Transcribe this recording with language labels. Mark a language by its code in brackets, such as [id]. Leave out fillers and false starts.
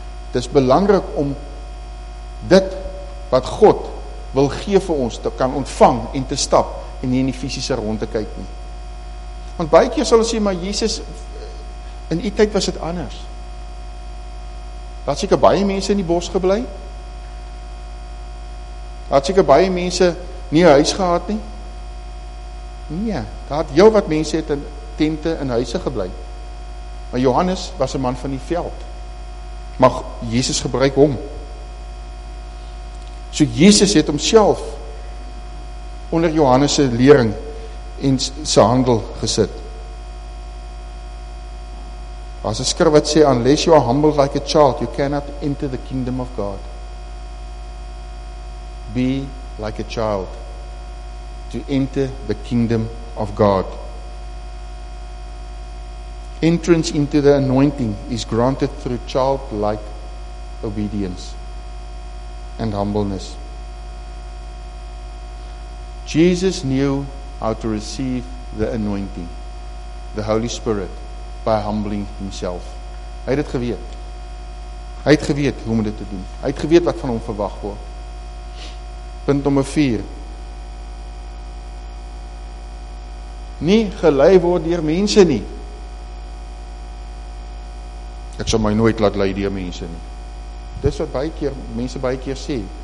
[af] Dit is belangrik om dit wat God wil gee vir ons te kan ontvang en te stap en nie in die fisiese rond te kyk nie. Want baie keer sal ons sê, maar Jesus, in die tyd was dit anders. Daar het seker baie mense in die bos gebly. Daar het seker baie mense nie 'n huis gehad nie. Nee, daar het heel wat mense het in tente en huise gebly. Maar Johannes was 'n man van die veld. Maar Jesus gebruik hom. So Jesus het homself onder Johannes se lering en sy handel gesit. As die skrif wat sê, [en] unless you are humble like a child, you cannot enter the kingdom of God. Be like a child to enter the kingdom of God. Entrance into the anointing is granted through childlike obedience and humbleness. Jesus knew how to receive the anointing, the Holy Spirit, by humbling himself. [af] Hy het dit geweet. Hy het geweet hoe om dit te doen. Hy het geweet wat van hom verwag word. Punt nummer 4. Nie gelei word deur mense nie. Ek sal my nooit laat lei deur mense nie. Dis wat baie keer mense baie keer sê.